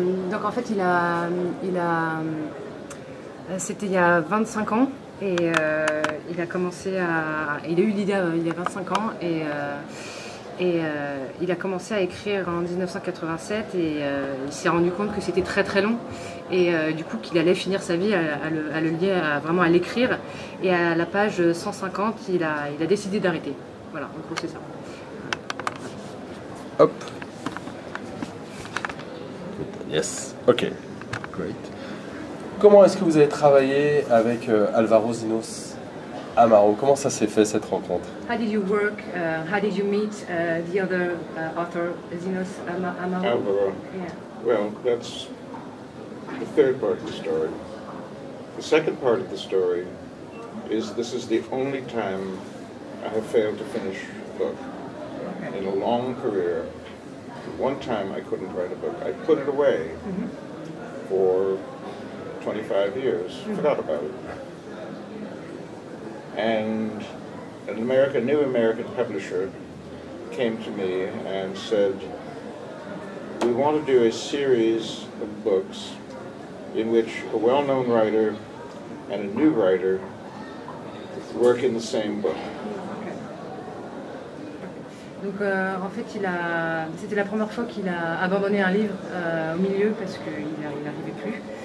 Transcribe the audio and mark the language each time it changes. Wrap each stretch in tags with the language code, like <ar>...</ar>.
<fr>Donc en fait, il a c'était il y a 25 ans et il a commencé à il a eu l'idée il y a 25 ans et il a commencé à écrire en 1987 et il s'est rendu compte que c'était très très long et du coup qu'il allait finir sa vie à le lier à, vraiment à l'écrire et à la page 150 il a décidé d'arrêter. Voilà, en gros c'est ça. Hop.</fr> <en>Yes. Ok. Great.</en> <fr>Comment est-ce que vous avez travaillé avec Alvaro Zinos Amaro? Comment ça s'est fait cette rencontre?</fr> <en>How did you work? How did you meet the other author, Zinos Amaro? Alvaro. Yeah. Well, that's the third part of the story. The second part of the story is this is the only time I have failed to finish a book in a long career. One time I couldn't write a book. I put it away mm-hmm. for 25 years, mm-hmm. forgot about it. And a new American publisher came to me and said, we want to do a series of books in which a well-known writer and a new writer work in the same book.</en> <fr>Donc en fait, c'était la première fois qu'il a abandonné un livre au milieu parce qu'il n'arrivait plus.</fr>